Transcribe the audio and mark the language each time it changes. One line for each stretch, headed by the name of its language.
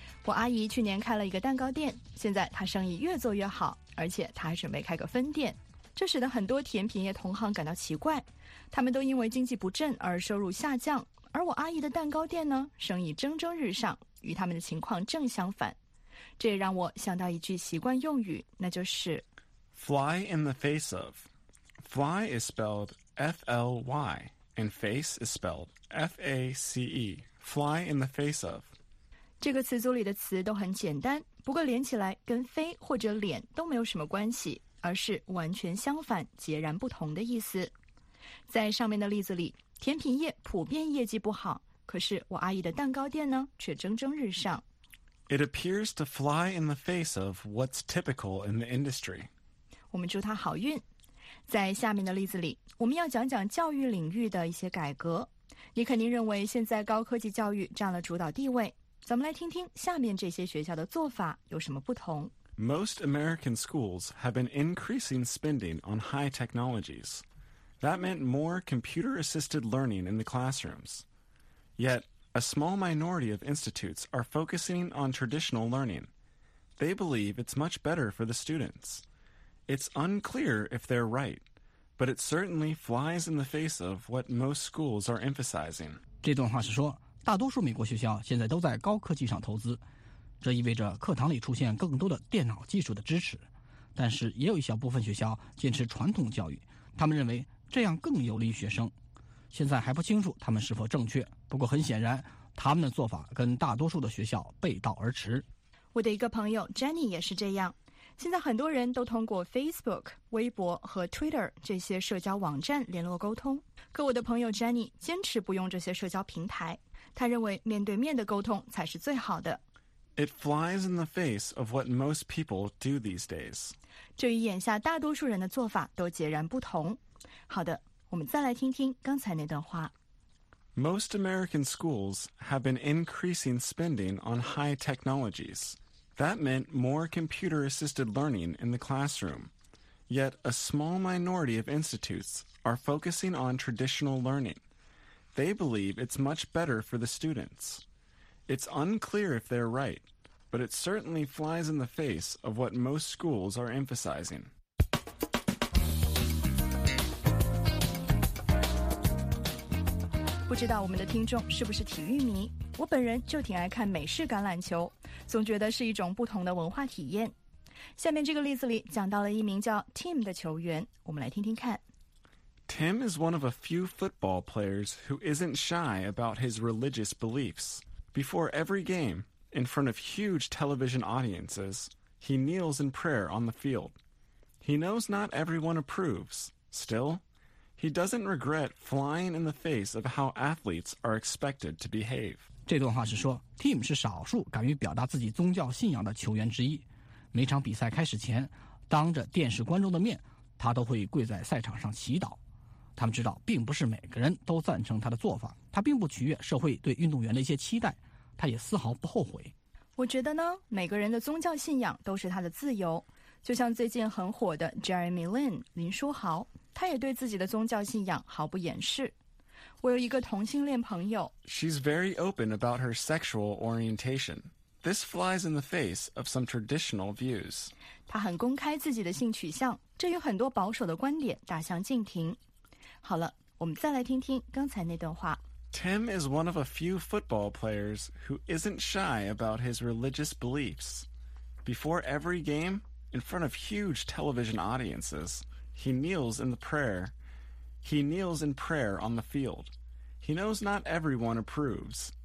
Chinese: 我阿姨去年开了一个蛋糕店，现在她生意越做越好，而且她还准备开个分店，这使得很多甜品业同行感到奇怪，他们都因为经济不振而收入下降，而我阿姨的蛋糕店呢，生意蒸蒸日上，与他们的情况正相反。这也让我想到一句习惯用语，那就是
English: Fly in the face of。 Fly is spelledFLY, and face is spelled FACE, fly in the face of.
Chinese: 这个词组里的词都很简单，不过连起来跟飞或者脸都没有什么关系，而是完全相反，截然不同的意思。在上面的例子里，甜品业普遍业绩不好，可是我阿姨的蛋糕店呢，却蒸蒸日上。
English: It appears to fly in the face of what's typical in the industry.
Chinese: 我们祝她好运。在下面的例子里，我们要讲讲教育领域的一些改革。你肯定认为现在高科技教育占了主导地位，咱们来听听下面这些学校的做法有什么不同。
English: Most American schools have been increasing spending on high technologies. That meant more computer-assisted learning in the classrooms. Yet, a small minority of institutes are focusing on traditional learning. They believe it's much better for the students. It's unclear if they're right, but it certainly flies in the face of what most schools are emphasizing.
Chinese: 这段话是说，大多数美国学校现在都在高科技上投资，这意味着课堂里出现更多的电脑技术的支持。但是也有一小部分学校坚持传统教育，他们认为这样更有利于学生。现在还不清楚他们是否正确，不过很显然，他们的做法跟大多数的学校背道而驰。我的一个朋友 Jenny 也是这样。现在很多人都通过 Facebook、微博和 Twitter 这些社交网站联络沟通，可我的朋友 Jenny 坚持不用这些社交平台，他认为面对面的沟通才是最好的。
English: It flies in the face of what most people do these days.
Chinese: 这与眼下大多数人的做法都截然不同。好的，我们再来听听刚才那段话。
English: Most American schools have been increasing spending on high technologies. That meant more computer-assisted learning in the classroom. Yet a small minority of institutes are focusing on traditional learning. They believe it's much better for the students. It's unclear if they're right, but it certainly flies in the face of what most schools are emphasizing.
Chinese: 不知道我们的听众是不是体育迷？我本人就挺爱看美式橄榄球，总觉得是一种不同的文化体验。下面这个例子里讲到了一名叫 Tim 的球员，我们来听听看。
English: Tim is one of a few football players who isn't shy about his religious beliefs. Before every game, in front of huge television audiences, he kneels in prayer on the field. He knows not everyone approves. Still, he doesn't regret flying in the face of how athletes are expected to behave.
Chinese: 这段话是说 ,Tim 是少数敢于表达自己宗教信仰的球员之一。每场比赛开始前，当着电视观众的面，他都会跪在赛场上祈祷。他们知道并不是每个人都赞成他的做法，他并不取悦社会对运动员的一些期待，他也丝毫不后悔。我觉得呢，每个人的宗教信仰都是他的自由。就像最近很火的 Jeremy Lin, 林书豪，他也对自己的宗教信仰毫不掩饰。我有一个同性恋朋友。
English: She's very open about her sexual orientation. This flies in the face of some traditional views.
Chinese: 她很公开自己的性取向，这与很多保守的观点大相径庭。好了，我们再来听听刚才那段话。
English: Tim is one of a few football players who isn't shy about his religious beliefs. Before every game, in front of huge television audiences, he kneels in prayer on the field. He knows not everyone approves.